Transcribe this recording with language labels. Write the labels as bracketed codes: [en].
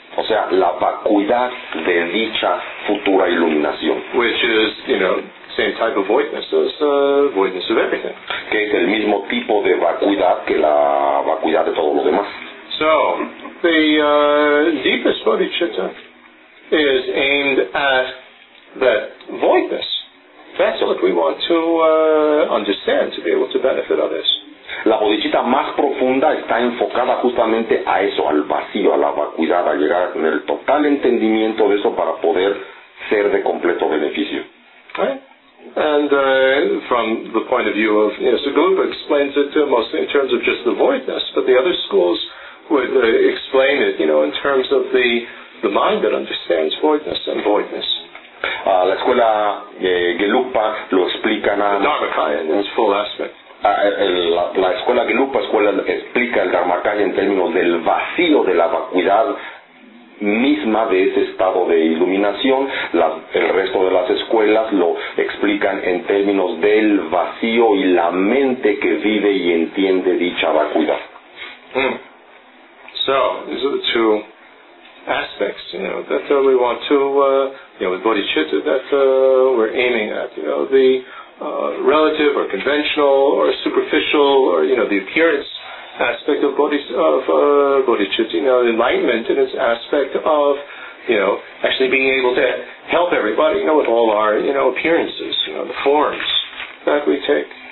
[es] O sea, la vacuidad de dicha futura iluminación. [en] Which is, same type of voidness as voidness of everything. [es] Que es el mismo tipo de vacuidad que la vacuidad de todos los demás. [en] So, the deepest bodhicitta is aimed at that voidness. That's what we want to understand to be able to benefit others. [es] La bodhicitta más profunda está enfocada justamente a eso, al vacío, a la vacuidad, a llegar a tener el total entendimiento de eso para poder ser de completo beneficio. [en] Right. And from the point of view of, Sugupa explains it mostly in terms of just the voidness, but the other schools would explain it, in terms of the mind that understands voidness and voidness. [es] La escuela Gelugpa lo explica nada. [en] The Dharmakaya in its full aspect. [es] La escuela Gelugpa explica el Dharmakaya en términos del vacío de la vacuidad misma de ese estado de iluminación. El resto de las escuelas lo explican en términos del vacío y la mente que vive y entiende dicha vacuidad. [en] So, these are the two aspects, that we want to, with bodhicitta, that we're aiming at, the relative or conventional or superficial or, the appearance aspect of bodhicitta, you know, enlightenment, and its aspect of, you know, actually being able to help everybody, you know, with all our, you know, appearances, you know, the forms that we take.